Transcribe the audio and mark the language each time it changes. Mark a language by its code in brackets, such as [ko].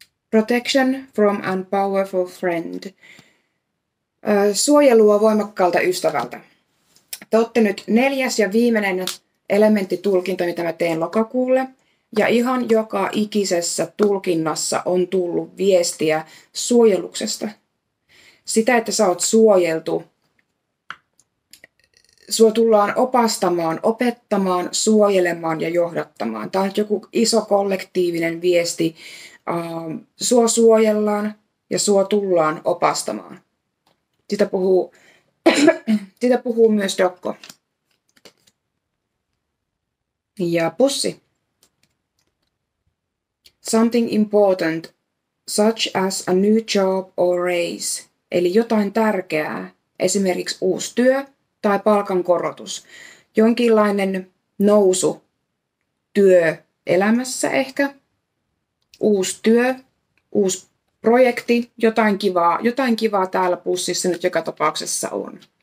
[en] Protection from a powerful friend. [fi] Suojelua voimakkaalta ystävältä. Te olette nyt neljäs ja viimeinen elementtitulkinta, mitä mä teen lokakuulle. Ja ihan joka ikisessä tulkinnassa on tullut viestiä suojeluksesta. Sitä, että sä oot suojeltu. Sua tullaan opastamaan, opettamaan, suojelemaan ja johdattamaan. Tämä on joku iso kollektiivinen viesti. Sua suojellaan ja sua tullaan opastamaan. Sitä puhuu myös Dokko. Ja pussi. [en] Something important, such as a new job or raise. [fi] Eli jotain tärkeää, esimerkiksi uusi työ tai palkankorotus. Jonkinlainen nousu työelämässä ehkä. Uusi työ, uusi projekti, jotain kivaa täällä pussissa nyt joka tapauksessa on.